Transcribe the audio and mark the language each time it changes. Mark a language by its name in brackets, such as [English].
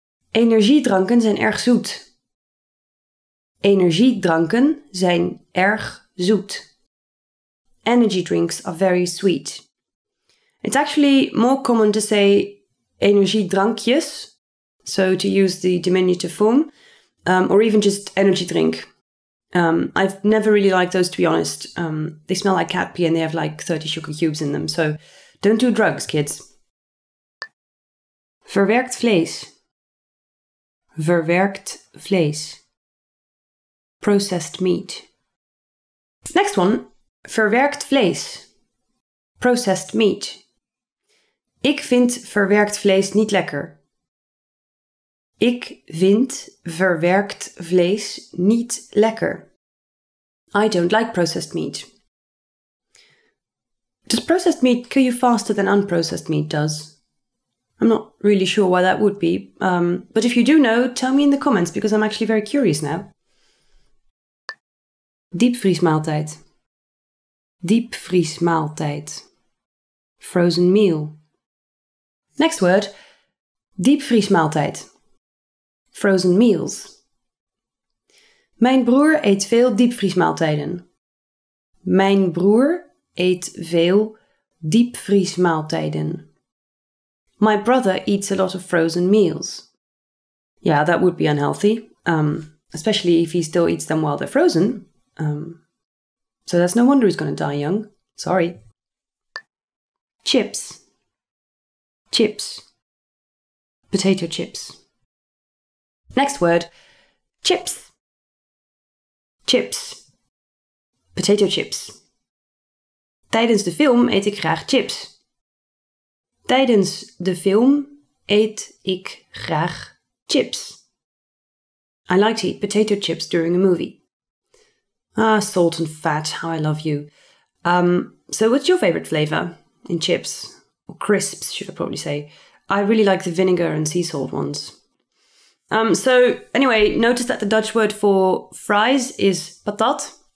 [Dutch] Energiedranken zijn erg zoet. Energiedranken zijn erg zoet. [English] Energy drinks are very sweet. It's actually more common to say energiedrankjes, so to use the diminutive form, or even just energy drink. I've never really liked those, to be honest. They smell like cat pee and they have like 30 sugar cubes in them, so don't do drugs, kids. [Dutch] Verwerkt vlees. Verwerkt vlees. [English] Processed meat. Next one. [Dutch] Verwerkt vlees. [English] Processed meat. [Dutch] Ik vind verwerkt vlees niet lekker. Ik vind verwerkt vlees niet lekker. [English] I don't like processed meat. Does processed meat kill you faster than unprocessed meat does? I'm not really sure why that would be, but if you do know, tell me in the comments, because I'm actually very curious now. [Dutch] Diepvriesmaaltijd. Diepvriesmaaltijd. [English] Frozen meal. Next word. Diepvriesmaaltijd. Frozen meals. [Dutch] Mijn broer eet veel diepvriesmaaltijden. Mijn broer eet veel diepvriesmaaltijden. [English] My brother eats a lot of frozen meals. Yeah, that would be unhealthy, especially if he still eats them while they're frozen. So that's no wonder he's going to die young. Sorry. Chips. Chips. Potato chips. Next word. Chips. Chips. Potato chips. [Dutch] Tijdens de film eet ik graag chips. Tijdens de film eet ik graag chips. [English] I like to eat potato chips during a movie. Ah, salt and fat, how I love you. So what's your favorite flavor in chips? Or crisps, should I probably say. I really like the vinegar and sea salt ones. So anyway, notice that the Dutch word for fries is patat.